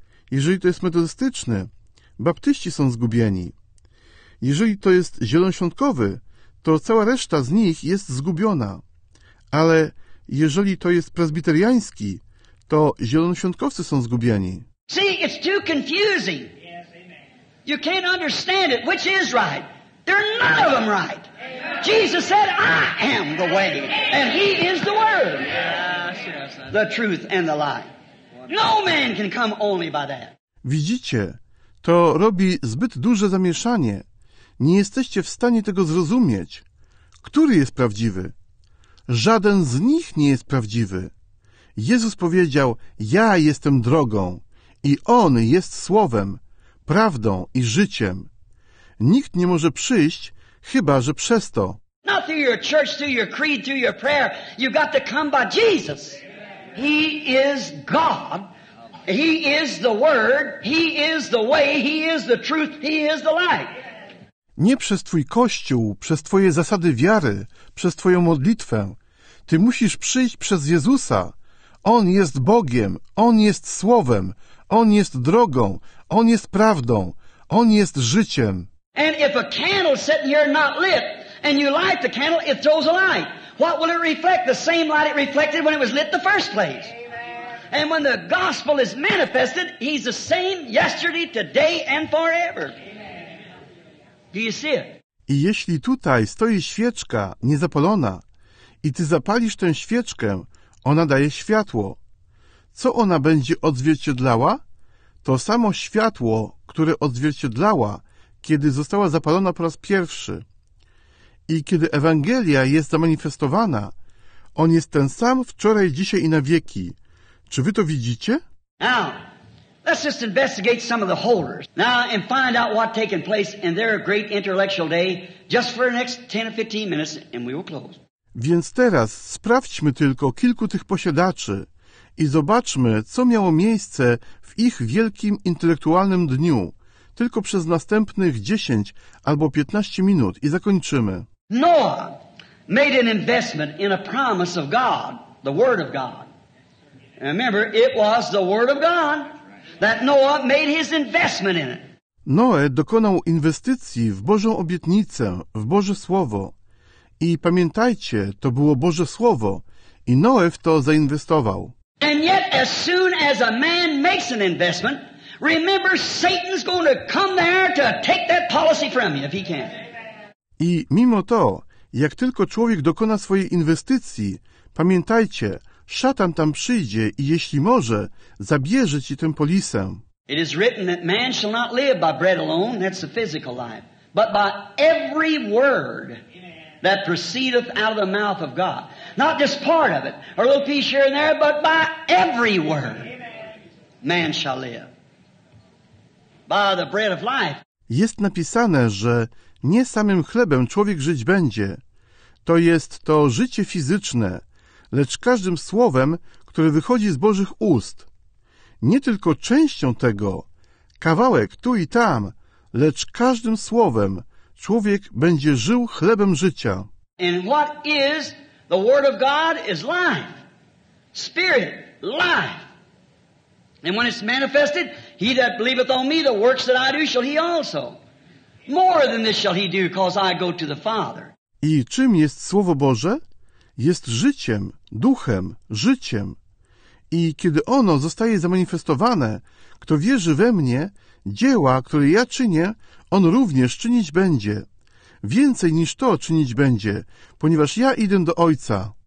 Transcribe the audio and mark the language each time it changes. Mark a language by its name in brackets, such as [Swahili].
[Polish] Jeżeli to jest metodystyczny, baptyści są zgubieni. Jeżeli to jest zielonoświątkowy, to cała reszta z nich jest zgubiona. Ale jeżeli to jest prezbiteriański, to zielonoświątkowcy są zgubieni. [English] See, it's too confusing. Yes, amen. You can't understand it. Which is right? They're none of them right. Amen. Jesus said, I am the way, and He is the Word, the truth and the life. No man can come only by that. [Polish] Widzicie, to robi zbyt duże zamieszanie. Nie jesteście w stanie tego zrozumieć. Który jest prawdziwy? Żaden z nich nie jest prawdziwy. Jezus powiedział, ja jestem drogą i On jest słowem, prawdą i życiem. Nikt nie może przyjść, chyba że przez to. [English] Not through your church, through your creed, through your prayer. You've got to come by Jesus. He is God. He is the Word. He is the way. He is the truth. He is the light. [Polish] Nie przez Twój Kościół, przez Twoje zasady wiary, przez Twoją modlitwę. Ty musisz przyjść przez Jezusa. On jest Bogiem, On jest Słowem, On jest drogą, On jest prawdą, On jest życiem. [English] And if a candle sitting here not lit, and you light the candle, it throws a light. What will it reflect? The same light it reflected when it was lit the first place. Amen. And when the gospel is manifested, He's the same yesterday, today and forever. [Polish] I jeśli tutaj stoi świeczka niezapalona i ty zapalisz tę świeczkę, ona daje światło. Co ona będzie odzwierciedlała? To samo światło, które odzwierciedlała, kiedy została zapalona po raz pierwszy. I kiedy Ewangelia jest zamanifestowana, On jest ten sam wczoraj, dzisiaj i na wieki. Czy wy to widzicie? [English] Now. Let's just investigate some of the holders now and find out what's taking place in their great intellectual day just for the next 10 or 15 minutes and we will close. [Polish] Więc teraz sprawdźmy tylko kilku tych posiadaczy i zobaczmy, co miało miejsce w ich wielkim intelektualnym dniu tylko przez następnych 10 albo 15 minut i zakończymy. [English] Noah made an investment in a promise of God, the Word of God. And remember, it was the Word of God. That Noah made his investment in it. [Polish] Noe dokonał inwestycji w Bożą obietnicę, w Boże Słowo. I pamiętajcie, to było Boże Słowo. I Noe w to zainwestował. [English] And yet as soon as a man makes an investment, remember Satan's going to come there to take that policy from you if he can. [Polish] I mimo to, jak tylko człowiek dokona swojej inwestycji, pamiętajcie, Szatan tam przyjdzie i jeśli może, zabierze ci tę polisę. [English] It is written that man shall not live by bread alone, that's the physical life, but by every word that proceedeth out of the mouth of God. Not just part of it, or a little piece here and there, but by every word man shall live. By the bread of life. [Polish] Jest napisane, że nie samym chlebem człowiek żyć będzie. To jest to życie fizyczne, lecz każdym słowem, które wychodzi z Bożych ust. Nie tylko częścią tego, kawałek tu i tam, lecz każdym słowem człowiek będzie żył chlebem życia. [English] And what is the Word of God is life. Spirit, life. And when it's manifested, he that believeth on me, the works that I do, shall he also. More than this shall he do, cause I go to the Father. [Polish] I czym jest Słowo Boże? Jest życiem, duchem, życiem. I kiedy ono zostaje zamanifestowane, kto wierzy we mnie, dzieła, które ja czynię, on również czynić będzie. Więcej niż to czynić będzie, ponieważ ja idę do Ojca.